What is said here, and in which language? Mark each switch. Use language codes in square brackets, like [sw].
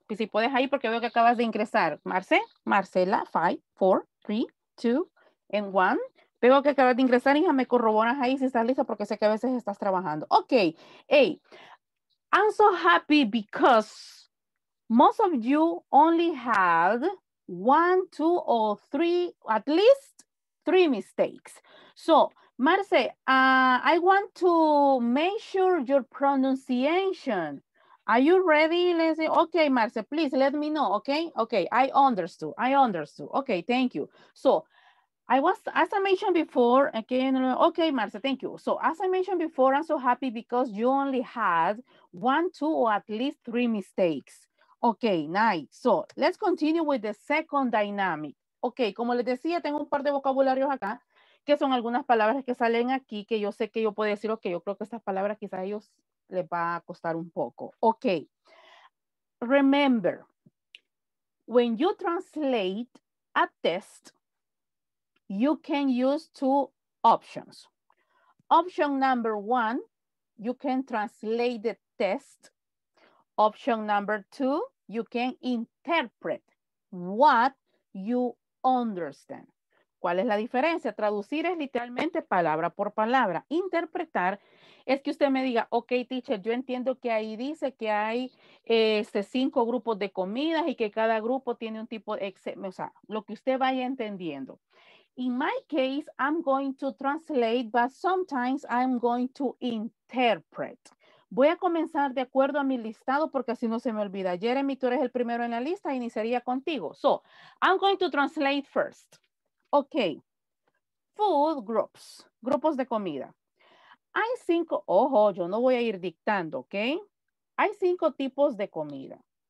[es] Y si puedes ahí, porque veo que acabas de ingresar. Marcela, 5, 4, 3, 2, and 1. Veo que acabas de ingresar, hija, me corroboras ahí si estás lista porque sé que a veces estás trabajando. [en] Okay, hey, I'm so happy because most of you only had 1, 2, or 3, at least 3 mistakes. So Marce, I want to measure your pronunciation. Are you ready? Let's say, okay, Marce, please let me know, okay? Okay, I understood. Okay, thank you. So, as I mentioned before, again, okay, Marce, thank you. So, as I mentioned before, I'm so happy because you only had one, two, or at least three mistakes. Okay, nice. So, let's continue with the second dynamic. [es] Okay, como les decía, tengo un par de vocabularios acá, que son algunas palabras que salen aquí, que yo sé que yo puedo decir, okay, yo creo que estas palabras quizás ellos les va a costar un poco. [en] Okay. Remember, when you translate a test, you can use two options. Option number one, you can translate the test. Option number two, you can interpret what you understand. [es] ¿Cuál es la diferencia? Traducir es literalmente palabra por palabra. Interpretar es que usted me diga, ok, teacher, yo entiendo que ahí dice que hay cinco grupos de comidas y que cada grupo tiene un tipo de, o sea, lo que usted vaya entendiendo. [en] In my case, I'm going to translate, but sometimes I'm going to interpret. [es] Voy a comenzar de acuerdo a mi listado porque así no se me olvida. Jeremy, tú eres el primero en la lista, iniciaría contigo. [en] So, I'm going to translate first. Okay, food groups, [es] grupos de comida. Hay cinco, ojo, yo no voy a ir dictando, okay? Hay cinco tipos de comida.